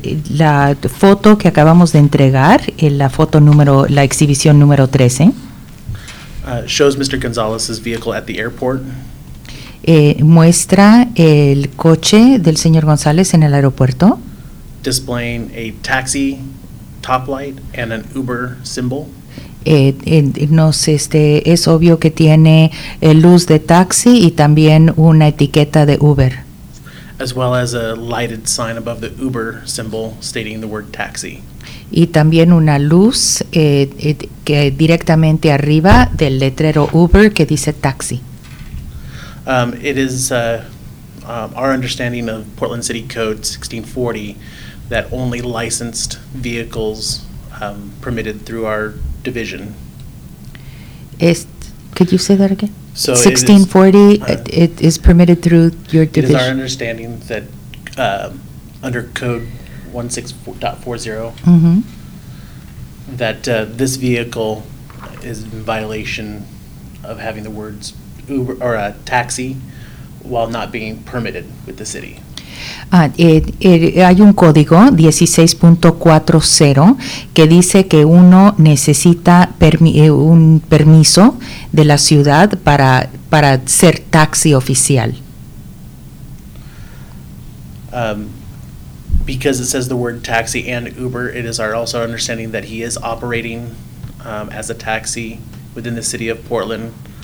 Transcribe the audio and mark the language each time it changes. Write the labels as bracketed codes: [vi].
[es] La foto que acabamos de entregar, la foto número, la exhibición número 13. [en] Shows Mr. Gonzalez's vehicle at the airport. [es] Muestra el coche del señor González en el aeropuerto. [en] Displaying a taxi top light and an Uber symbol. [es] Es obvio que tiene luz de taxi y también una etiqueta de Uber. [en] As well as a lighted sign above the Uber symbol stating the word taxi. [es] Y también una luz que directamente arriba del letrero Uber que dice taxi. [en] It is our understanding of Portland City Code 1640 that only licensed vehicles permitted through our division. Could you say that again? So 1640, it is permitted through your division? It is our understanding that under Code 16.40, mm-hmm. that this vehicle is in violation of having the words Uber or a taxi while not being permitted with the city. [es] Hay un código 16.40 que dice que uno necesita un permiso de la ciudad para ser taxi oficial. [en] Because it says the word taxi and Uber, it is our also understanding that he is operating as a taxi within the city of Portland.